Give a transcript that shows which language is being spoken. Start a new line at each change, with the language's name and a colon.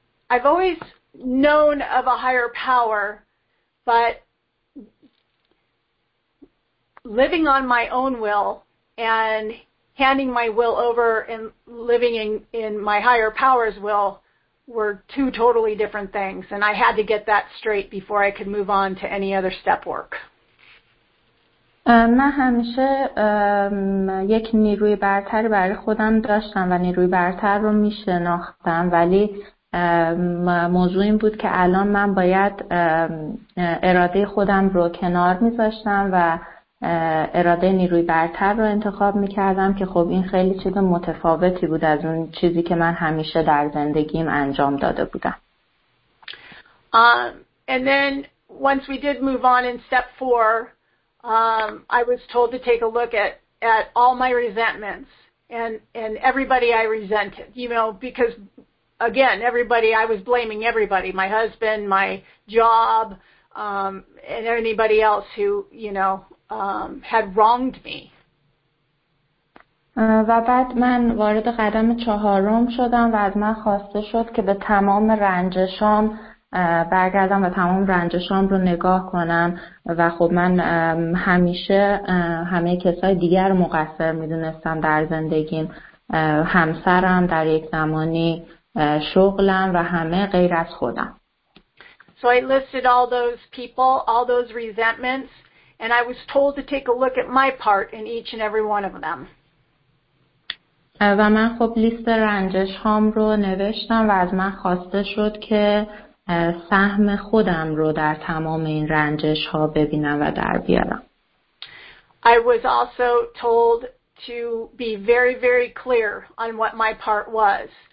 English: I've always known of a higher power, but living on my own will and handing my will over and living in my higher power's will were two totally different things, and I had to get that straight before I could move on to any other step work.
Persian: من همیشه یک نیروی برتر برای خودم داشتم و نیروی برتر رو میشناختم، ولی موضوع این بود که الان من باید اراده خودم رو کنار میذاشتم و اراده نیروی برتر رو انتخاب میکردم که خب این خیلی چیز متفاوتی بود از اون چیزی که من همیشه در زندگیم انجام داده بودم.
English: And then once we did move on in step 4, I was told to take a look at all my resentments and everybody I resented, because again, everybody, I was blaming everybody, my husband, my job, and anybody else who, had wronged me.
Persian: و بعد من وارد قدم 4 شدم و از من خواسته شد که به تمام رنجشام برگردم و تمام رنجشام رو نگاه کنم و خب من همیشه همه کسای دیگر مقصر میدونستم در زندگیم، همسرم در یک زمانی، شغلم و همه غیر از خودم.
English: So I listed all those people, all those resentments, and I was told to take a look at my part in each and every one of them.
Persian: و من خب لیست رنجش هام رو نوشتم و از من خواسته شد که سهم خودم رو در تمام این رنجش ها ببینم و در بیارم.
English: I was also told to be very, very clear on what my part was.